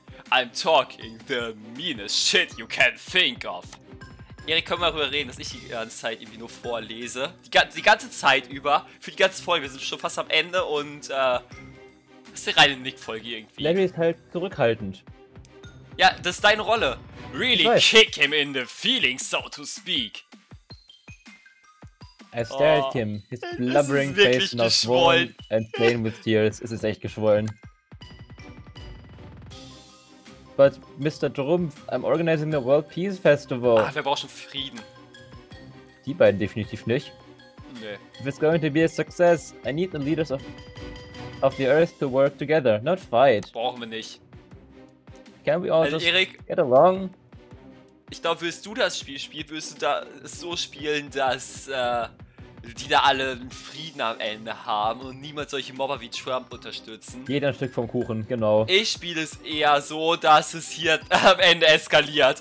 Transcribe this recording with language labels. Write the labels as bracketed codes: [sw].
[en] I'm talking the meanest shit you can think of. [de] Erik, können wir darüber reden, dass ich die ganze Zeit irgendwie nur vorlese? Die ganze Zeit über, für die ganze Folge, wir sind schon fast am Ende und das ist eine reine Nick-Folge irgendwie. Larry ist halt zurückhaltend. Ja, das ist deine Rolle. [en] Really kick him in the feelings, so to speak. I stare at him, his blubbering face not swollen and plain with tears. [de] Es ist echt geschwollen. [en] But Mr. Trumpf, I'm organizing a World Peace Festival. [de] Ah, wir brauchen schon Frieden. Die beiden definitiv nicht. Nee. [en] If it's going to be a success, I need the leaders of the Earth to work together, not fight. [de] Brauchen wir nicht. [en] Can we all just get along? [de] Ich glaube, würdest du das Spiel spielen, würdest du da so spielen, dass die da alle einen Frieden am Ende haben und niemand solche Mobber wie Trump unterstützen. Jeder ein Stück vom Kuchen, genau. Ich spiele es eher so, dass es hier am Ende eskaliert.